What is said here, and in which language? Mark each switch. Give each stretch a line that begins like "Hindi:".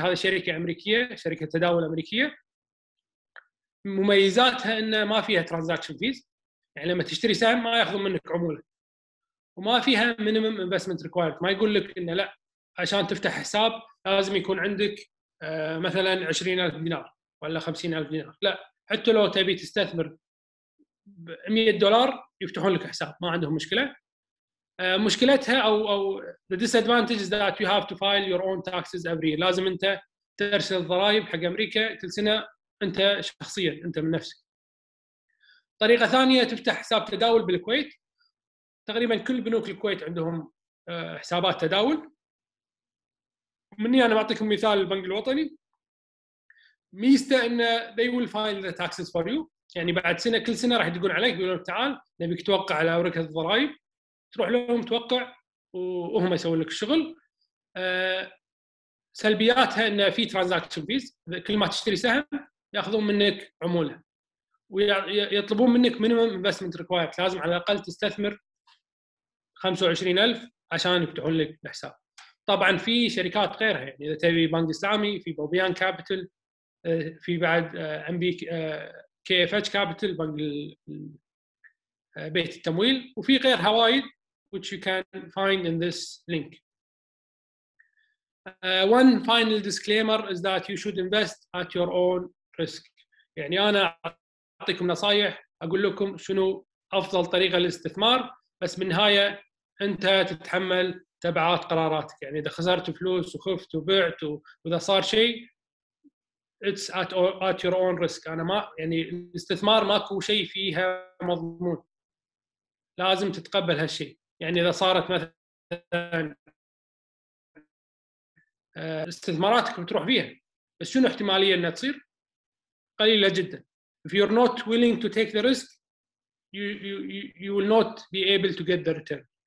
Arabic: هذا شركة امريكية، شركة تداول امريكية. مميزاتها انه ما فيها
English: transaction fees،
Arabic: يعني لما تشتري سهم ما ياخذون منك عمولة، وما فيها
English: minimum investment required.
Arabic: ما يقول لك انه لا عشان تفتح حساب لازم يكون عندك مثلا 20,000 دينار ولا 50,000 دينار. لا، حتى لو تبي تستثمر $100 يفتحون لك حساب، ما عندهم مشكلة. مشكلتها أو
English: the disadvantage is that you have to file your own taxes every year.
Arabic: لازم أنت ترسل الضرائب حق أمريكا كل سنة أنت شخصيا، أنت من نفسك. طريقة ثانية تفتح حساب تداول بالكويت. تقريبا كل بنوك الكويت عندهم حسابات تداول. مني أنا بعطيكم مثال البنك الوطني. ميزة إن
English: they will file the taxes for you.
Arabic: يعني بعد سنة كل سنة راح يدقون عليك يقولون تعال نبيك توقع على أوراق الضرائب. تروح لهم توقع وهم يسوون لك الشغل. سلبياتها إن في
English: transaction fees،
Arabic: كل ما تشتري سهم يأخذون منك عمولة ويطلبون منك
English: minimum investment required،
Arabic: لازم على الأقل تستثمر 25,000 عشان يفتحون لك الحساب. طبعاً في شركات غيرها، يعني إذا تبي بنك إسلامي في بوبيان كابيتال، في بعد أم بي كي إف إتش كابيتال بنك بيت التمويل، وفي غيرها وايد
English: which you can find in this link. One final disclaimer is that you should invest at your own risk.
Arabic: يعني أنا أعطيكم نصائح أقول لكم شنو أفضل طريقة للاستثمار، بس من نهاية أنت تتحمل تبعات قراراتك. يعني إذا خسرت فلوس وخفت وبعت وإذا صار شيء
English: it's at your own risk.
Arabic: أنا ما يعني الاستثمار ماكو شيء فيها مضمون، لازم تتقبل هالشيء. يعني إذا صارت مثلاً استثماراتك بتروح فيها، بس شنو احتمالية أنها تصير؟ قليلة جداً.
English: If you're not willing to take the risk, you will not be able to get the return.